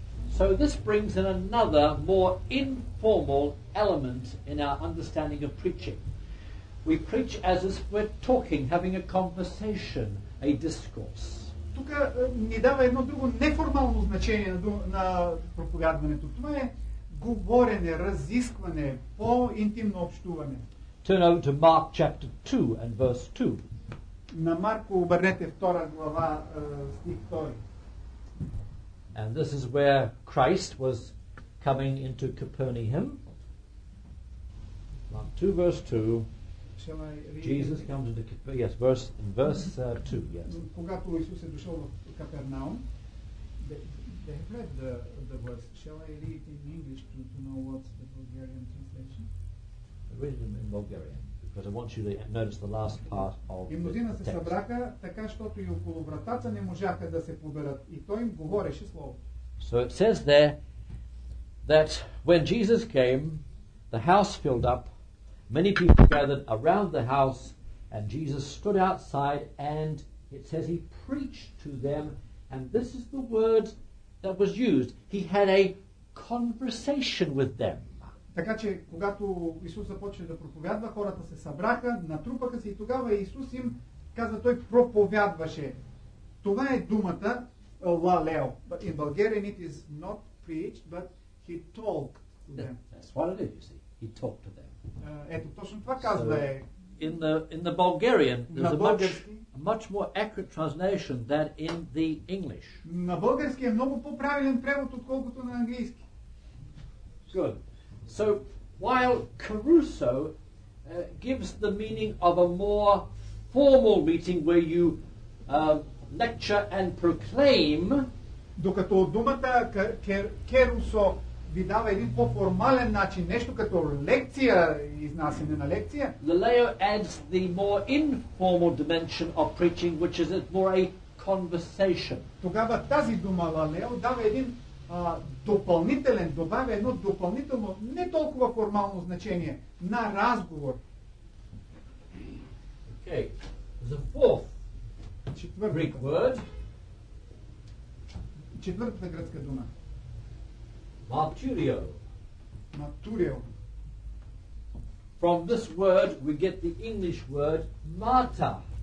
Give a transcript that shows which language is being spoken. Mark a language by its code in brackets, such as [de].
[en] So this brings in another more informal element in our understanding of preaching. We preach as if we're talking, having a conversation, a discourse. [bg] Тук ни дава едно друго неформално значение на проповядването. Това е говорене, разискване, по-интимно общуване. [en] Turn over to Mark chapter 2 and verse 2. [bg] На Марко обърнете втора глава, стих 2. [en] And this is where Christ was coming into Capernaum. Mark 2 verse 2. Jesus comes to the yes verse in verse 2 yes. [bg] Когато Исус е дошъл в Капернаум, [en] they have read the verse. Shall I read it in English to know what's the Bulgarian translation? Read it in Bulgarian. But I want you to notice the last part of the text. [bg] И мнозина се събраха, така щото и около вратата не можаха да се поберат. И той им говореше слово. [en] So it says there that when Jesus came, the house filled up, many people gathered around the house, and Jesus stood outside, and it says he preached to them, and this is the word that was used. He had a conversation with them. [bg] Така че, когато Исус започва да проповядва, хората се събраха, натрупаха се и тогава Исус им каза, той проповядваше. Това е думата лалео. [en] But in Bulgarian it is not preached, but he talked to them. That's what it is, you see. He talked to them. [bg] Ето, точно това казва е. [en] In the Bulgarian, there's a much more accurate translation than in the English. [bg] На български е много по-правилен превод, отколкото на английски. [en] Good. So, while Caruso gives the meaning of a more formal meeting where you lecture and proclaim, [bg] докато думата Caruso ви дава един по-формален начин, нещо като лекция, изнасене на лекция, [en] Leo adds the more informal dimension of preaching, which is more a conversation. [bg] Тогава тази дума Leo дава един допълнителен, добавя едно допълнително, не толкова формално значение, на разговор. [en] Okay. The fourth Greek word. [bg] Четвъртата гръцка дума. [en] Martyrio. Martyrio. From this word we get the English word martyr.